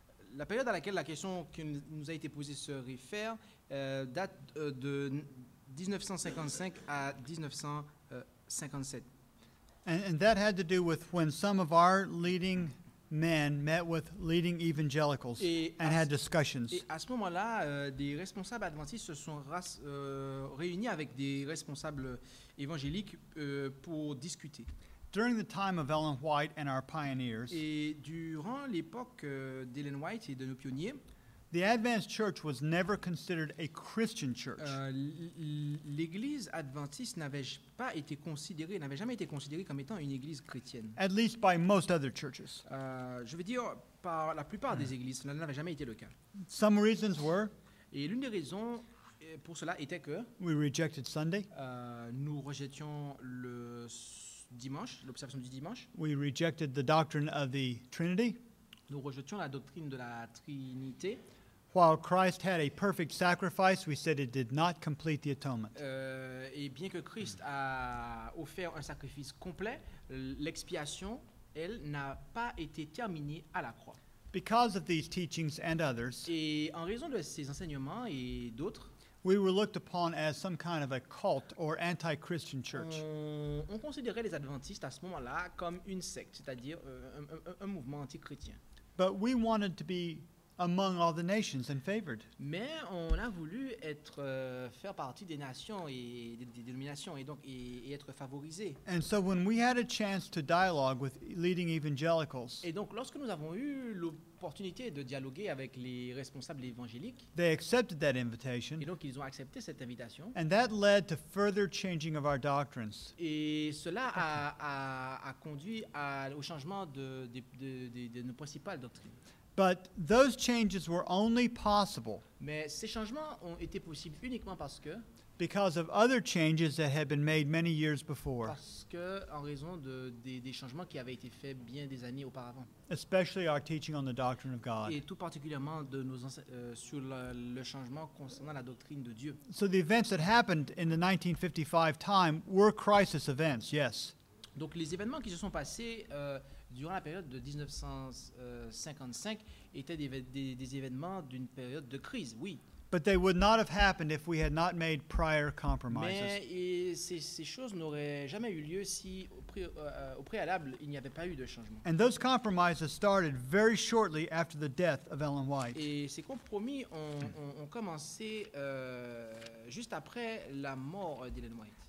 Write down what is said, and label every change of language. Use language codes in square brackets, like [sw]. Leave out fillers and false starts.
[fr] La période à laquelle la question qui nous a été posée se réfère date de 1955 à 1957. [en] And that had to do with when some of our leading men met with leading evangelicals and had discussions. [fr] Et à ce moment-là, des responsables adventistes se sont réunis avec des responsables évangéliques pour discuter. [en] During the time of Ellen White and our pioneers, [fr] et durant l'époque d'Ellen White et de nos pionniers, [en] the Adventist Church was never considered a Christian church. [fr] L'église adventiste n'avait jamais été considérée comme étant une église chrétienne. [en] At least by most other churches. [fr] Je veux dire par la plupart des églises, cela n'avait jamais été le cas. [en] Some reasons were. [fr] Et l'une des raisons pour cela était que. [en] We rejected Sunday. [fr] Nous rejetions le dimanche, l'observation du dimanche. [en] We rejected the doctrine of the Trinity. [fr] Nous rejetions la doctrine de la Trinité. [en] While Christ had a perfect sacrifice, we said it did not complete the atonement. [fr] Et bien que Christ a offert un sacrifice complet, l'expiation, elle, n'a pas été terminée à la croix. [en] Because of these teachings and others, [fr] et en raison de ces enseignements et d'autres, [en] we were looked upon as some kind of a cult or anti-Christian church. [fr] On considérait les adventistes à ce moment-là comme une secte, c'est-à-dire un mouvement anti-chrétien. [en] But we wanted to be among all the nations and favored. [fr] Mais on a voulu être faire partie des nations et des dénominations et donc et être favorisé. [en] And so when we had a chance to dialogue with leading evangelicals. [fr] Et donc lorsque nous avons eu l'opportunité de dialoguer avec les responsables évangéliques. [en] They accepted that invitation. [fr] Et donc ils ont accepté cette invitation. [en] And that led to further changing of our doctrines. [fr] Et cela a conduit au changement de nos principales doctrines. [en] But those changes were only possible. [fr] Mais ces changements ont été possibles uniquement parce que. [en] Because of other changes that had been made many years before. [fr] Parce que en raison des changements qui avaient été faits bien des années auparavant. [en] Especially our teaching on the doctrine of God. [fr] Et tout particulièrement de nos sur le changement concernant la doctrine de Dieu. [en] So the events that happened in the 1955 time were crisis events, yes. [fr] Donc les événements qui se sont passés. Durant la période de 1955, étaient des événements d'une période de crise, oui. [en] But they would not have happened if we had not made prior compromises. [fr] Mais ces choses n'auraient jamais eu lieu si au préalable il n'y avait pas eu de changement. [en] And those compromises started very shortly after the death of Ellen White. [fr] Et ces compromis ont commencé juste après la mort d'Ellen White.